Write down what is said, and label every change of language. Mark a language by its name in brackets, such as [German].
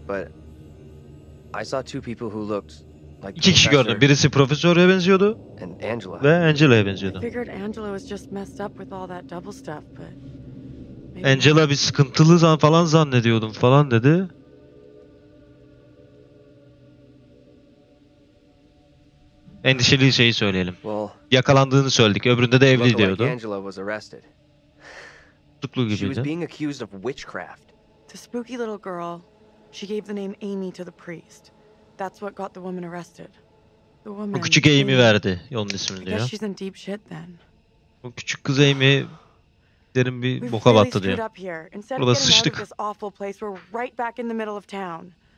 [English] But I saw two people who looked like. [Turkish] İki kişi gördüm. Birisi profesöre benziyordu. [English] And Angela. [Turkish] Ve Angela'ya benziyordu. [English] I figured Angela was just messed up with all that double stuff, but [Turkish] maybe Angela bir sıkıntılı falan zannediyordum falan dedi. Endişeli şeyi söyleyelim. [English] Well, [Turkish] yakalandığını söyledik. Öbüründe de evli diyordu. [English] Angela was arrested. She was being accused of witchcraft. The spooky little girl, she gave the name Amy to the priest. That's what got the woman arrested. The woman. [Turkish] Bu küçük Amy verdi onun ismini diyor. [English] She's in deep shit then. [Turkish] Bu küçük kız Amy derin bir boka battı diyor. Burada sıçtık. [English] We're right back in the middle of town.